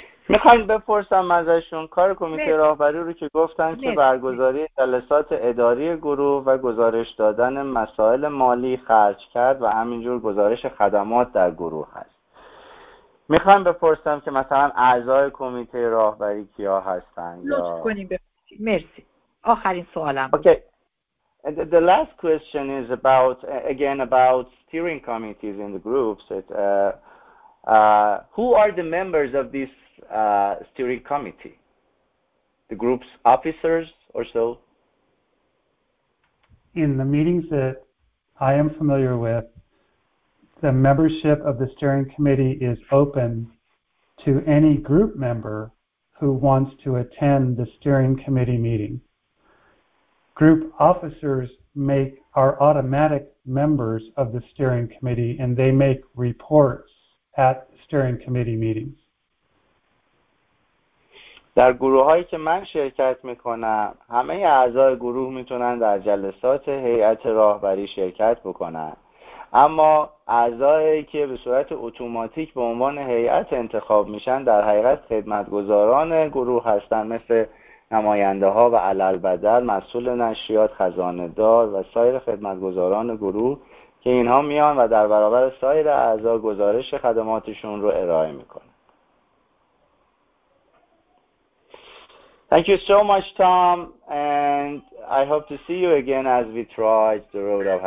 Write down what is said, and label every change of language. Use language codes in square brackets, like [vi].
[fa] میخواییم بپرسم ازشون کار کمیته راهبری رو که گفتن که برگزاری جلسات اداری گروه و گزارش دادن مسائل مالی خرج کرد و همینجور گزارش خدمات در گروه هست. میخواییم بپرسم که مثلا اعضای کمیته راهبری کیا هستن؟ لطف کنیم بپرسیم. مرسی. آخرین سوالم. [en] Okay. The last question is about, again, about steering committees in the groups. Who are the members of this steering committee? The group's officers or so? In the meetings that I am familiar with, the membership of the steering committee is open to any group member who wants to attend the steering committee meeting. Group officers are automatic members of the steering committee, and they make reports at steering committee meetings. [fa] در گروه‌هایی که من شرکت می‌کنم، همه اعضای گروه می‌تونن در جلسات هیئت راهبری شرکت بکنن. اما اعضایی که به صورت اتوماتیک به عنوان هیئت انتخاب میشن، در حقیقت خدمتگزاران گروه هستن، مثل نماینده ها و علل بدل مسئول نشریات، خزانه دار و سایر خدمتگزاران گروه که اینها میان و در برابر سایر اعضا گزارش خدماتشون رو ارائه میکنن. [en] Thank you so much, Tom, and I hope to see you again as we try the road of happiness.